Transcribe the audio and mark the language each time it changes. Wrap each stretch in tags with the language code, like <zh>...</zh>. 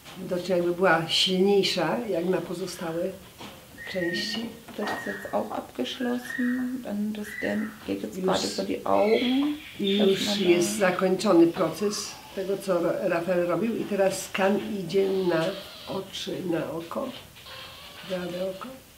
<pl>To znaczy jakby była silniejsza jak na pozostałe części. To jest</pl> <de>jetzt auch abgeschlossen. Dann das denn geht jetzt gerade über die Augen.</de> <pl>Już jest zakończony proces tego, co Rafael robił i teraz skan idzie na oczy, na oko, prawe oko.</pl>